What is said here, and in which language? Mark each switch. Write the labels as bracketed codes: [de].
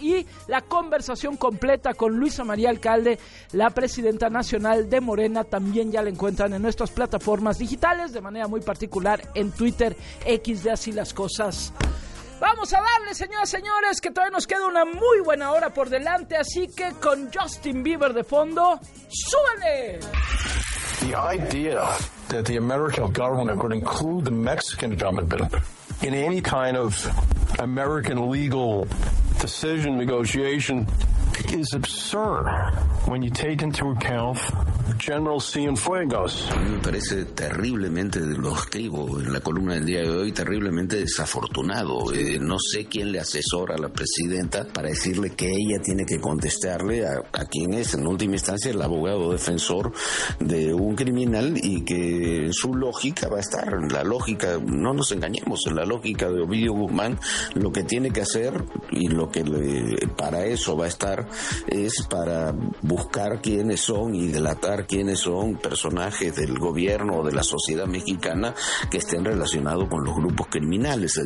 [es] Y la conversación completa con Luisa María Alcalde, la presidenta nacional de Morena, también ya la encuentran en nuestras plataformas digitales, de manera muy particular en Twitter X de Así las Cosas. Vamos a darle, señoras y señores, que todavía nos queda una muy buena hora por delante. Así que con Justin Bieber de fondo, ¡súbele! [en] The idea that the American government would include the Mexican government in any kind of American legal decision negotiation is absurd when you take into account General Cienfuegos. [es] Me parece terriblemente, lo escribo en la columna del día de hoy, terriblemente desafortunado. No sé quién le asesora a la presidenta para decirle que ella tiene que contestarle a quien es, en última instancia, el abogado defensor de un criminal, y que en su lógica va a estar, en la lógica, no nos engañemos, en la lógica de Ovidio Guzmán, lo que tiene que hacer y lo que para eso va a estar es para buscar quiénes son y delatar quiénes son personajes del gobierno o de la sociedad mexicana que estén relacionados con los grupos criminales.